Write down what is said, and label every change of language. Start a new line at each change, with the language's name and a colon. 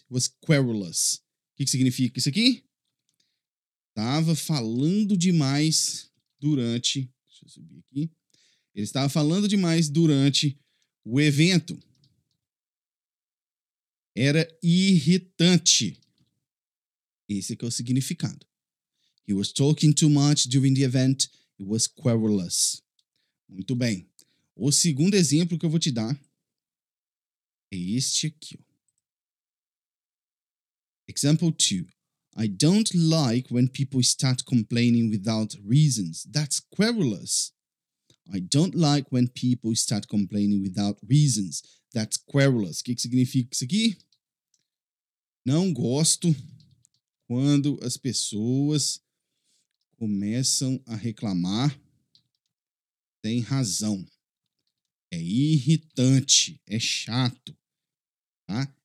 English: He was querulous.
Portuguese: O que significa isso aqui? Estava falando demais durante... Deixa eu subir aqui. Ele estava falando demais durante o evento. Era irritante. Esse é o significado.
English: He was talking too much during the event. He was querulous.
Portuguese: Muito bem. O segundo exemplo que eu vou te dar é este aqui.
English: Example 2. I don't like when people start complaining without reasons. That's querulous. I don't like when people start complaining without reasons. That's querulous.
Portuguese: O que significa isso aqui? Não gosto quando as pessoas começam a reclamar sem razão. É irritante, é chato. Tá?